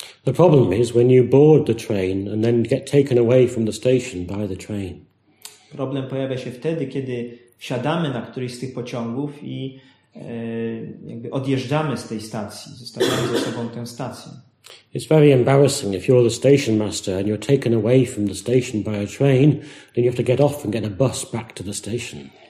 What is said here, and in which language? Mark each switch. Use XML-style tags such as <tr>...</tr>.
<en>The problem is when you board the train and then get taken away from the station by the train.</en> <pl>Problem pojawia się wtedy, kiedy wsiadamy na któryś z tych pociągów i jakby odjeżdżamy z tej stacji, zostawiamy ze sobą tę stację.</pl> <en>It's very embarrassing if you're the station master and you're taken away from the station by a train, then you have to get off and get a bus back to the station.</en>